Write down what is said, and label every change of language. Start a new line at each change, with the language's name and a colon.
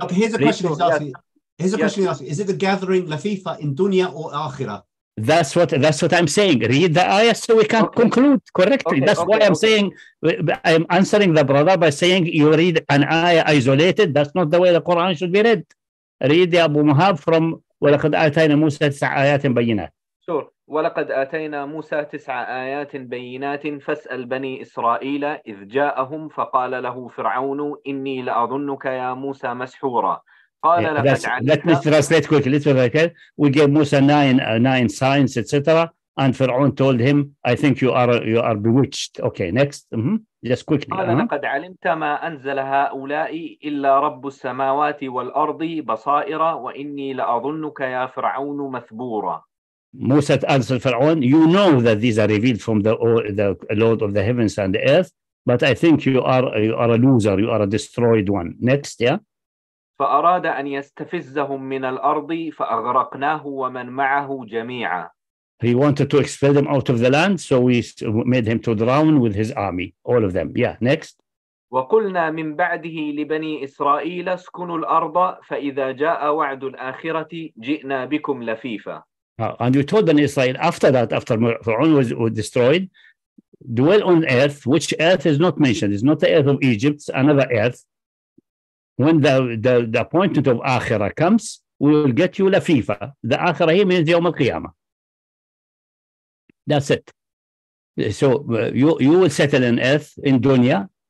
English: Okay, here's a question he's asking. Is it the gathering lafifa in dunya or akhirah? That's what I'm saying. Read the ayah so we can conclude correctly. Okay, that's why I'm saying, I'm answering the brother by saying you read an ayah isolated. That's not the way the Quran should be read. Read the Abu Muhab from
Arabic: وَلَقَدْ آتَيْنَا مُوسَى تِسْعَ آيَاتٍ بَيِّنَاتٍ.
English: Sure.
Arabic: وَلَقَدْ آتَيْنَا مُوسَى تِسْعَ آيَاتٍ بَيِّنَاتٍ فَاسْأَلْ بَنِي إِسْرَائِيلَ إِذْ جَاءَهُمْ فَقَالَ لَهُ فِرْعَوْنُ إِنِّي لَأَظُنُّكَ يَا مُوسَى مَسْحُورًا.
English: Let me translate quickly. We gave Musa nine signs, etc. And Pharaoh told him, "I think you are bewitched." Okay, next. Mm-hmm. Just quickly.
Arabic: لقد علمت ما أنزل هؤلاء إلا رب السماوات والأرض بصائر وإني لأظنك يا فرعون مثبورا.
English: Musa answered Pharaoh, "You know that these are revealed from the Lord of the heavens and the earth, but I think you are a loser. You are a destroyed one." Next, yeah.
Arabic: فأراد أن يستفزهم من الأرض فأغرقناه ومن معه جميعا.
English: He wanted to expel them out of the land, so we made him to drown with his army, all of them. Yeah, next.
Arabic: وقلنا من بعده لبني إسرائيل اسكنوا الأرض فإذا جاء وعد الآخرة جئنا بكم لفيفا.
English: And you told them Israel after Pharaoh was destroyed, dwell on earth, which earth is not mentioned. It's not the earth of Egypt, it's another earth. When the appointment of Akhirah comes, we will get you Lafifa. The Akhirah means Yawm al-Qiyamah. That's it. So you will settle in earth, in dunya,